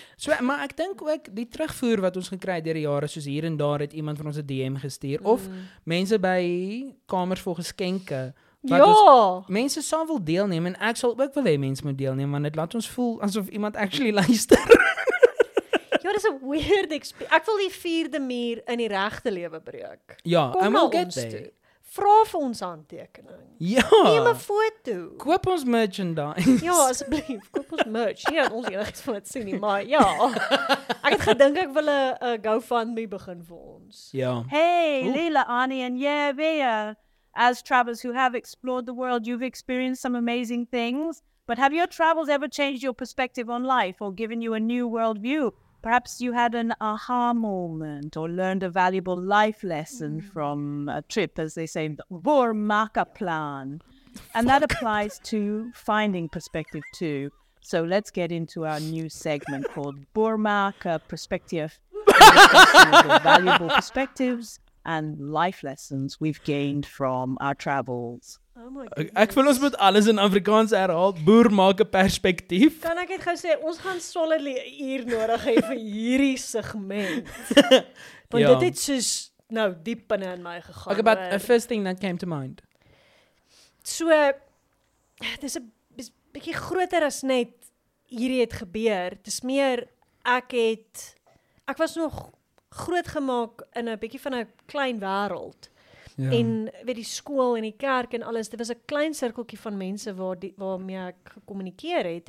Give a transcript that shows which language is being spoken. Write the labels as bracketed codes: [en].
[af] So, maar ek dink ook, die terugvoer wat ons gekry het deur die jare, soos hier en daar het iemand van ons 'n DM gestuur, of mense by kamers vol geskenke, wat ons, mense sal wil deelneem, en ek sal ook wil hê mense moet deelneem, want dit laat ons voel asof iemand actually luister. Ja, dis 'n weird experience. Ek wil die vierde meer in die regte lewe breek. Ja, kom [en] I'm gonna get there. [af] Vra vir ons handtekening. Ja. Neem 'n foto. Koop ons merchandise. Ja, asseblief, koop ons merch. Nie dat ons enigiets van het sien nie, maar ja. Ek het gedink ek wil 'n GoFundMe begin vir ons. Ja. Hey, Lila, Annie en Yebea. [en] As travelers who have explored the world, you've experienced some amazing things. But have your travels ever changed your perspective on life or given you a new worldview? Perhaps you had an aha moment or learned a valuable life lesson from a trip, as they say, Vor Makaplan. And that applies to finding perspective too. So let's get into our new segment called Vor Maka Perspective. Valuable perspectives and life lessons we've gained from our travels. Oh, [af] ek wil ons met alles in Afrikaans herhaal. Boer maak 'n perspektief. Kan ek net gou sê, ons gaan solidly 'n uur nodig hê vir hierdie segment. Want ja. Dit het soos nou diep binne in my gegaan. [en] Okay, but the first thing that came to mind. [af] So, dis 'n bietjie groter as net hierdie het gebeur. Dis meer, ek was nog groot gemaak in 'n bietjie van 'n klein wêreld. Ja. En weet die skool en die kerk en alles, dit was 'n klein sirkeltjie van mense waarmee ek gekommunikeer het.